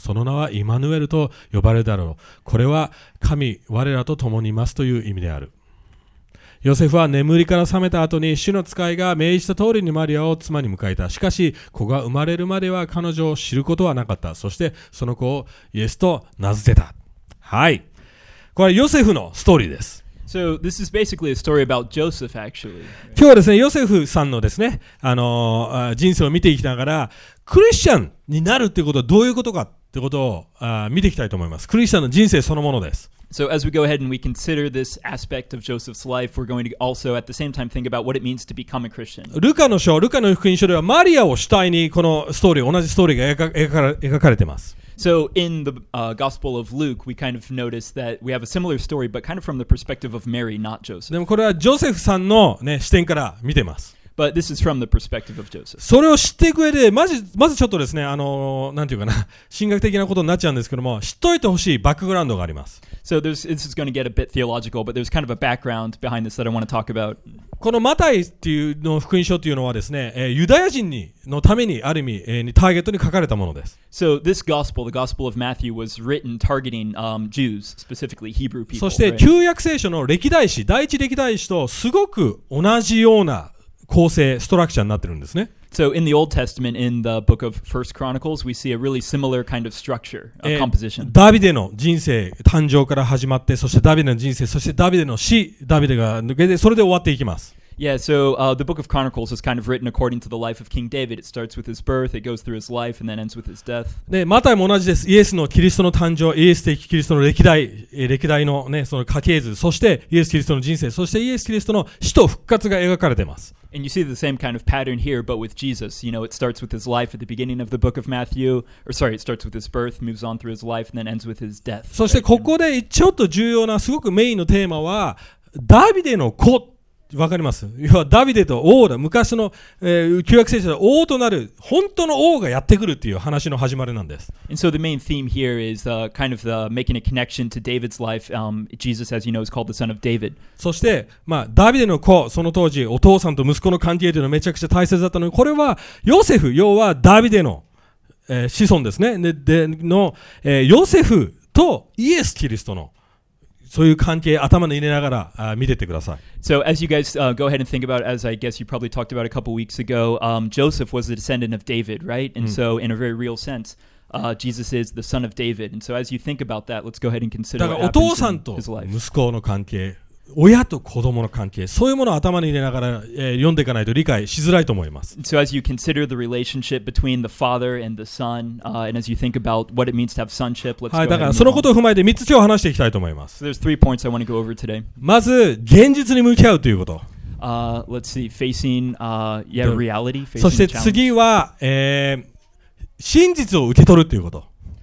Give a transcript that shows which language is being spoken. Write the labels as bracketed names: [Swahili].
[Japanese] その名はイマヌエルと呼ばれるだろう。これは神、我らと共にいますという意味である。ヨセフは眠りから覚めた後に、主の使いが命じた通りにマリアを妻に迎えた。しかし、子が生まれるまでは彼女を知ることはなかった。そして、その子をイエスと名付けた。はい、これはヨセフのストーリーです。 [English] So, this is basically a story about Joseph, actually. [Japanese] 今日はですね、ヨセフさんのですね、人生を見ていきながら、クリスチャンになるってことはどういうことかってことを見ていきたいと思います。クリスチャンの人生そのものです。 [English] So as we go ahead and we consider this aspect of Joseph's life, we're going to also at the same time think about what it means to become a Christian. [Japanese] ルカの福音書ではマリアを主体にこのストーリー、同じストーリーが描かれています。 [English] So in the Gospel of Luke, we kind of notice that we have a similar story, but kind of from the perspective of Mary, not Joseph. [Japanese] でもこれはジョセフさんのね、視点から見てます。 [English] But this is from the perspective of Joseph. [Japanese] それを知っていく上で、まずちょっとですね、なんていうかな、神学的なことになっちゃうんですけども、知っといてほしいバックグラウンドがあります。 [English] So this is going to get a bit theological, but there's kind of a background behind this that I want to talk about. [Japanese] このマタイっていうの福音書というのはですね、ユダヤ人にのためにある意味、ターゲットに書かれたものです。 [English] So this gospel, the gospel of Matthew, was written targeting Jews, specifically Hebrew people. [Japanese] そして旧約聖書の歴代史、第一歴代史とすごく同じような構成、ストラクチャーになってるんですね。 [English] So in the Old Testament, in the book of First Chronicles, we see a really similar kind of structure, a composition. [Japanese] ダビデの人生誕生から始まって、そしてダビデの人生、そしてダビデの死、ダビデが抜けて、それで終わっていきます。 [English] Yeah, so the book of Chronicles is kind of written according to the life of King David. It starts with his birth, it goes through his life, and then ends with his death. [Japanese] で、マタイも同じです。イエスのキリストの誕生、イエス的キリストの歴代のね、その家系図、そしてイエスキリストの人生、そしてイエスキリストの死と復活が描かれています。 [English] And you see the same kind of pattern here, but with Jesus. You know, it starts with his life at the beginning of the book of Matthew. Or sorry, it starts with his birth, moves on through his life, and then ends with his death. [Japanese] そしてここでちょっと重要な、すごくメインのテーマは、ダビデの子。わかります。要はダビデと王だ。昔の、旧約聖書で王となる本当の王がやってくるっていう話の始まりなんです。 [English] And so the main theme here is kind of the making a connection to David's life. Jesus, as you know, is called the son of David. [Japanese] そして、まあ、ダビデの子、その当時お父さんと息子の関係というのはめちゃくちゃ大切だったのに、これはヨセフ、要はダビデの、子孫ですね。での、ヨセフとイエス・キリストの。そういう関係頭に入れながら見ててください。 [English] So as you guys go ahead and think about, as I guess you probably talked about a couple weeks ago, Joseph was the descendant of David, right? And so in a very real sense, Jesus is the son of David. And so as you think about that, let's go ahead and consider [Japanese] お父さんと息子の関係、親と子供の関係、そういうものを頭に入れながら、読んでいかないと理解しづらいと思います。 [English] So as you consider the relationship between the father and the son, and as you think about what it means to have sonship, let's go ahead. [Japanese] はい、だからそのことを踏まえて3つ今日話していきたいと思います。 [English] So there's three points I want to go over today. [Japanese] まず、現実に向き合うということ。 [English] let's see, facing reality, facing [Japanese] そして次は、真実を受け取るということ。